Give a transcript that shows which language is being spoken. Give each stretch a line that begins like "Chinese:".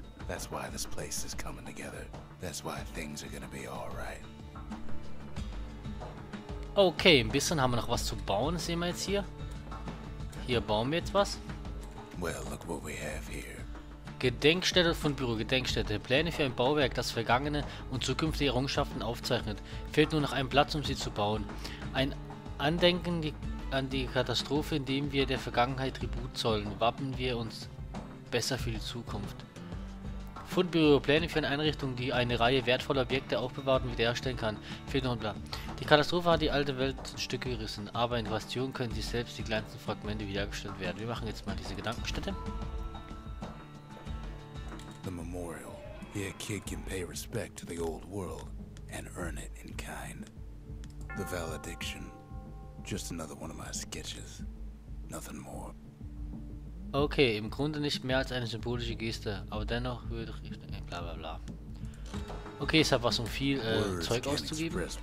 English: That's why this place is coming together. That's why things are gonna be alright.
German: Okay, ein bisschen haben wir noch was zu bauen, sehen wir jetzt hier. Hier bauen wir jetzt was.
English: Well, look what we have here.
German: Gedenkstätte von Büro, Gedenkstätte. Pläne für ein Bauwerk, das vergangene und zukünftige Errungenschaften aufzeichnet. Fehlt nur noch ein Platz, um sie zu bauen. Ein Andenken an die Katastrophe, in dem wir der Vergangenheit Tribut zollen. Wappen wir uns besser für die Zukunft. Fundbüro, Pläne für eine Einrichtung, die eine Reihe wertvoller Objekte aufbewahrt und wiederherstellen kann. Fehlt noch ein Blatt. Die Katastrophe hat die alte Welt in Stücke gerissen, aber in Bastion können sie selbst die kleinsten Fragmente wiederhergestellt werden. Wir machen jetzt mal diese Gedankenstätte.
English: The Memorial. Here kid can pay respect to the old world and earn it in kind. The Valediction. Just another one of my sketches. Nothing more.
German: Okay, im Grunde nicht mehr als eine symbolische Geste, aber dennoch würde ich... bla bla bla. Okay, es hat was um viel Zeug auszugeben.